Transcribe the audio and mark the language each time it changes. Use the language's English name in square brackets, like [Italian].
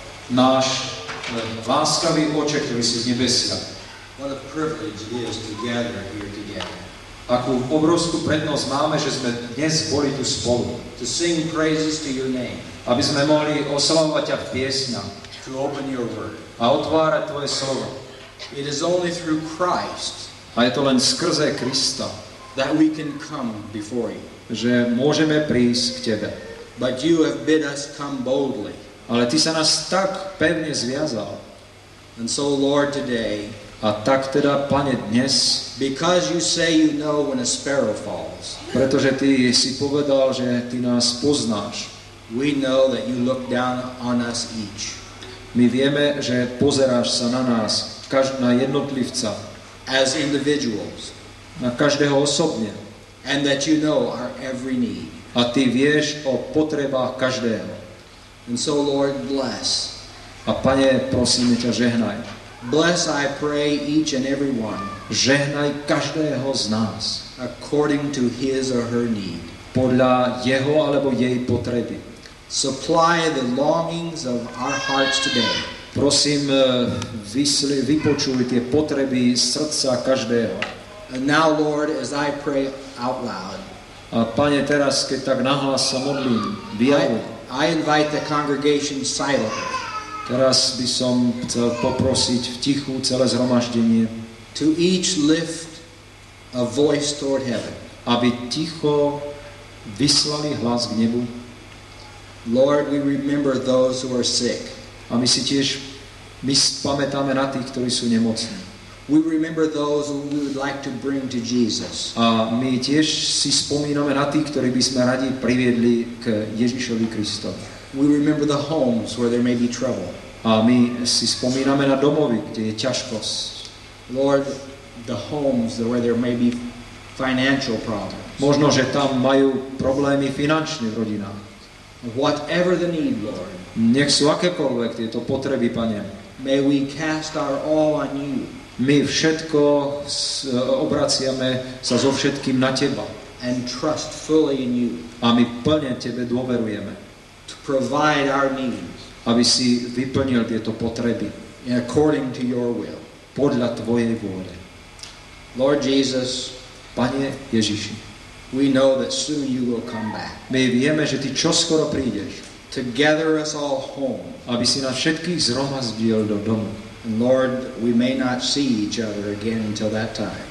[Slovak] Náš láskavý Oče, ktorý si z nebesia. [English] What a privilege it is to gather here together. [Slovak] Akú obrovskú prednosť máme, že sme dnes boli tu spolu. [English] To sing praises to your name. [Slovak] Aby sme mohli oslavovať ťa v piesňach. [English] To open your word. [Slovak] A otvárať tvoje slovo. [English] It is only through Christ. [Slovak] A je to len skrze Krista. [English] That we can come before you. [Slovak] Že môžeme prísť k tebe. [English] But you have bid us come boldly. [Slovak] Ale ty sa nás tak pevne zviazal. [English] And so Lord today. [Slovak] A tak teda, Pane, dnes. [English] Because you say you know when a sparrow falls. [Slovak] Pretože ty si povedal, že ty nás poznáš. [English] We know that you look down on us each. [Slovak] My vieme, že pozeráš sa na nás, na jednotlivca. [English] As individuals. [Slovak] Na každého osobne. [English] And that you know our every need. [Slovak] A ty vieš o potrebách každého. [English] And so, Lord, bless. [Slovak] A Pane, prosíme ťa, žehnaj. [English] Bless, I pray, each and every one. [Slovak] Žehnaj každého z nás. [English] According to his or her need. [Slovak] Podľa jeho alebo jej potreby. [English] Supply the longings of our hearts today. [Slovak] Prosím, vypočuj tie potreby srdca každého. [English] And now, Lord, as I pray out loud. [Slovak] A Pane, teraz, keď tak nahlas sa modlím, vyjavuj. [English] I invite the congregation silently. [Slovak] Teraz by som chcel poprosiť v tichu celé zhromaždenie. [English] To each lift a voice toward heaven. [Slovak] Aby ticho vyslali hlas k nebu. [English] Lord, we remember those who are sick. [Slovak] A my si tiež pamätáme na tých, ktorí sú nemocní. [English] We remember those who we would like to bring to Jesus. [Slovak] A my tiež si spomíname na tých, ktorí by sme radi priviedli k Ježišovi Kristovi. [English] We remember the homes where there may be trouble. [Slovak] A my si spomíname na domovy, kde je ťažkosť. [English] Lord, the homes where there may be financial problems. [Slovak] Možno, že tam majú problémy finančné v rodinách. [English] Whatever the need, Lord. [Slovak] Nech sú akékoľvek tieto potreby, Pane. [English] May we cast our all on you. [Slovak] My všetko obraciame sa so všetkým na teba. [English] And trust fully in you. [Slovak] A my plne tebe dôverujeme. [English] To provide our needs. [Slovak] Aby si vyplnil tieto potreby. [English] According to your will. [Slovak] Podľa tvojej vôle. [English] Lord Jesus, [Slovak] Pane Ježiši, [English] we know that soon you will come back. [Slovak] My vieme, že ty čoskoro prídeš. [English] To gather us all home. [Slovak] Aby si nás všetkých zhromazdil do domu. [English] And Lord, we may not see each other again until that time.